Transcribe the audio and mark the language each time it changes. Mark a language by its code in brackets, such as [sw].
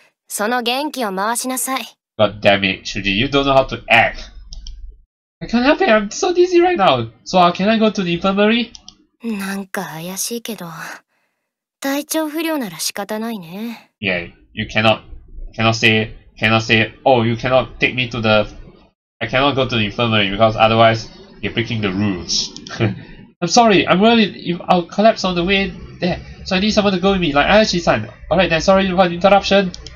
[ja] その元気を回しなさい。 [en] God damn it, Shuuji, you don't know how to act. I can't help it, I'm so dizzy right now. So, can I go to the infirmary? [ja] なんか怪しいけど、体調不良なら仕方ないね。 [en] Yeah, you cannot say, oh, you cannot take me to the, I cannot go to the infirmary because otherwise you're breaking the rules. I'm sorry, I'm worried if I'll collapse on the way there. So I need someone to go with me, like Ayachi-san. Alright then, sorry for the interruption.